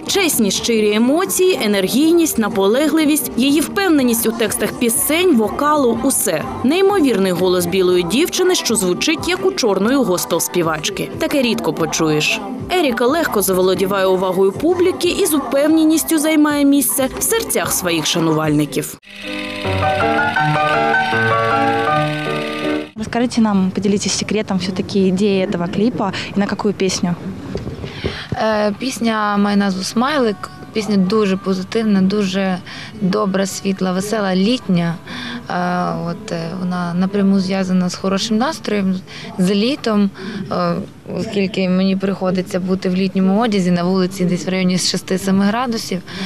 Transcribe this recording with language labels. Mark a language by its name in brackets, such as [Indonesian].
[Ukrainian] Чесні, щирі емоції, енергійність, наполегливість, її впевненість у текстах пісень, вокалу – усе. Неймовірний голос білої дівчини, що звучить, як у чорної госпел-співачки. Таке рідко почуєш. Еріка легко заволодіває увагою публіки і з упевненістю займає місце в серцях своїх шанувальників. [Russian] Расскажите нам, поделитесь секретом, все-таки идеи этого клипа и на какую песню? Песня «Май назву Смайлик». [Ukrainian] Пісня дуже позитивна, дуже добра, світла, весела, літня. От вона напряму зв'язана з хорошим настроєм, з літом. Оскільки мені приходиться бути в літньому одязі на вулиці десь в районі 6-7 градусів.